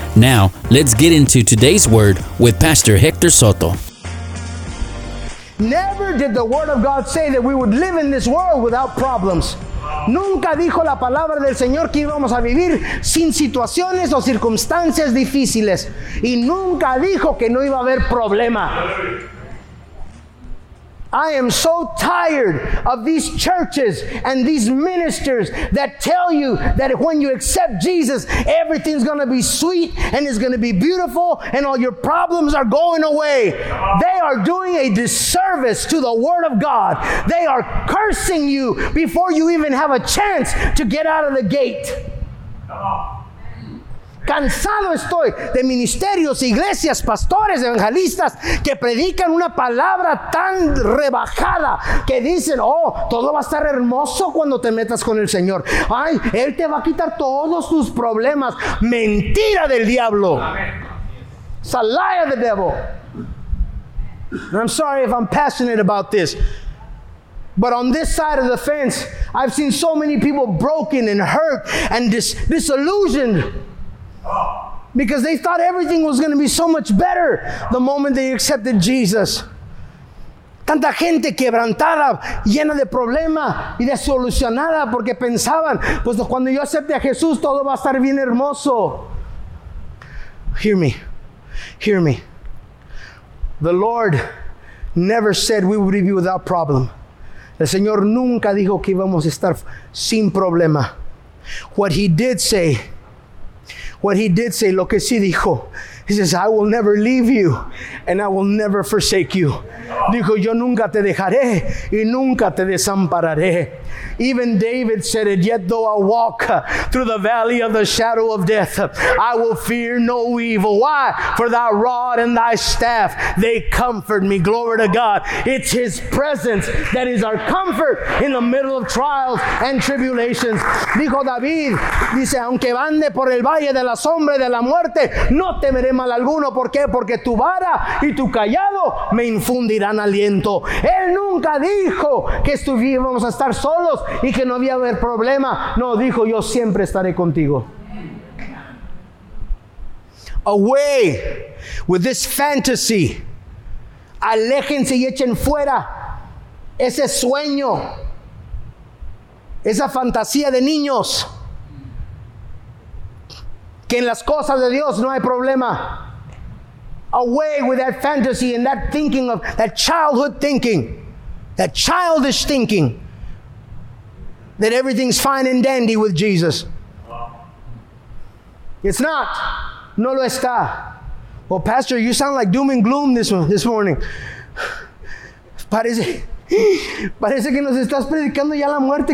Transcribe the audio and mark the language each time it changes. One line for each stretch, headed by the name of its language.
English: Now, let's get into today's word with Pastor Hector Soto. Never did the word of God say that we would live in this world without problems.
Spanish: Nunca dijo la palabra del Señor que íbamos a vivir sin situaciones o circunstancias difíciles. Y nunca dijo que no iba a haber problema.
English: I am so tired of these churches and these ministers that tell you that when you accept Jesus, everything's going to be sweet and it's going to be beautiful and all your problems are going away. They are doing a disservice to the Word of God. They are cursing you before you even have a chance to get out of the gate.
Spanish: Cansado estoy de ministerios, iglesias, pastores, evangelistas que predican una palabra tan rebajada que dicen, oh, todo va a estar hermoso cuando te metas con el Señor. Ay, Él te va a quitar todos tus problemas. Mentira del diablo.
English: It's a lie of the devil. And I'm sorry if I'm passionate about this. But on this side of the fence, I've seen so many people broken and hurt and disillusioned. Because they thought everything was going to be so much better the moment they accepted Jesus.
Spanish: Tanta gente quebrantada, llena de problemas y desolucionada porque pensaban, pues cuando yo acepte a Jesús todo va a estar bien hermoso.
English: Hear me. Hear me. The Lord never said we would be without problem.
Spanish: El Señor nunca dijo que íbamos a estar sin problema.
English: What he did say,
Spanish: lo que sí dijo,
English: he says, I will never leave you and I will never forsake you.
Spanish: Dijo, yo nunca te dejaré y nunca te desampararé.
English: Even David said it, yet though I walk through the valley of the shadow of death, I will fear no evil. Why? For thy rod and thy staff, they comfort me. Glory to God. It's his presence that is our comfort in the middle of trials and tribulations.
Spanish: Dijo David, dice, aunque ande por el valle de la sombra de la muerte, no temeré mal alguno. ¿Por qué? Porque tu vara y tu callado me infundirán aliento. Él nunca dijo que estuviéramos a estar solos y que no había haber problema. No, dijo, yo siempre estaré contigo.
English: Away with this fantasy.
Spanish: Aléjense y echen fuera ese sueño, esa fantasía de niños. Que en las cosas de Dios no hay problema.
English: Away with that fantasy and that thinking of that childhood thinking, that childish thinking, that everything's fine and dandy with Jesus. It's not.
Spanish: No lo está.
English: Well, Pastor, you sound like doom and gloom this morning.
Spanish: Parece que nos estás predicando ya la muerte.